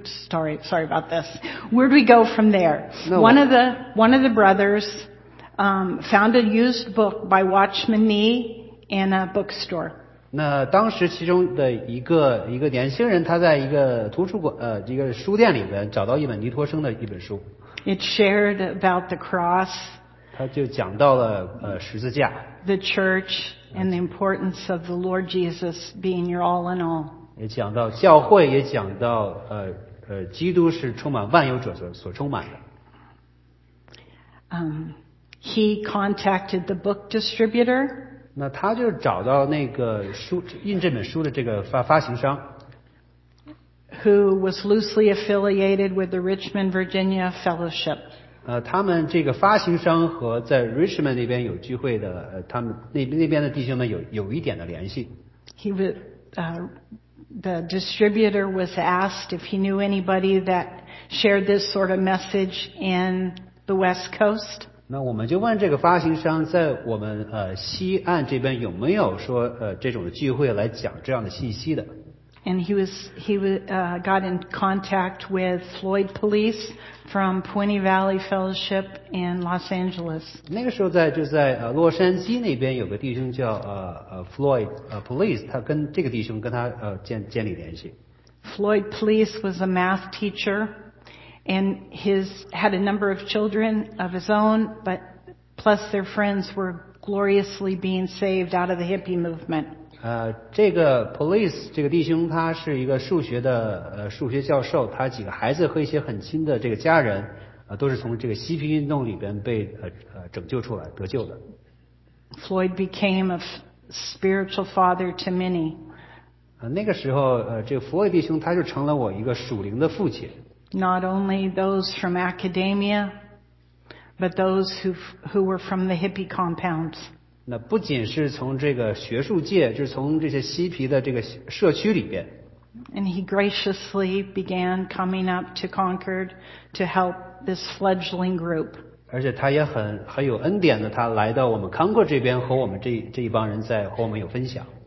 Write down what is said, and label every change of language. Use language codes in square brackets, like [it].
[en] So where'd we go from there? Where'd we go from there? No. One of the brothers, found a used book by Watchman Nee in a bookstore. [zh] 那当时其中的一个年轻人，他在一个图书馆一个书店里边找到一本尼托生的一本书。 [en] It shared about the cross. [zh] 他就讲到了十字架。 [en] The church and the importance of the Lord Jesus being your all in all. [zh] 也讲到教会，也讲到基督是充满万有者所充满的。 [en] He contacted the book distributor. [zh] 那他就找到那个书印这本书的这个发行商。 [en] Who was loosely affiliated with the Richmond, Virginia Fellowship. [zh] 他们这个发行商和在 Richmond 那边有聚会的他们那边的弟兄们有一点的联系。 [en] The distributor was asked if he knew anybody that shared this sort of message in the West Coast. [zh] 那我们就问这个发行商在我们西岸这边有没有说这种聚会来讲这样的信息的。 [en] And he got in contact with Floyd Police from Pointe Valley Fellowship in Los Angeles. [zh] 那个时候就在洛杉矶那边有个弟兄叫Floyd Police， 他跟这个弟兄跟他建立联系。 [en] Floyd Police was a math teacher, and had a number of children of his own, but plus their friends were gloriously being saved out of the hippie movement. [zh] 这个 police 这个弟兄他是一个数学的数学教授，他几个孩子和一些很亲的这个家人都是从这个嬉皮运动里边被拯救出来得救的。 [en] Floyd became a spiritual father to many. [zh] 那个时候这个弗洛伊弟兄他就成了我一个属灵的父亲。 [en] Not only those from academia, but those who were from the hippie compounds. [zh] 那不仅是从这个学术界，就是从这些嬉皮的这个社区里边。 [en] And he graciously began coming up to Concord to help this fledgling group. [zh] 而且他也很有恩典的，他来到我们康国这边，和我们这一帮人在和我们有分享。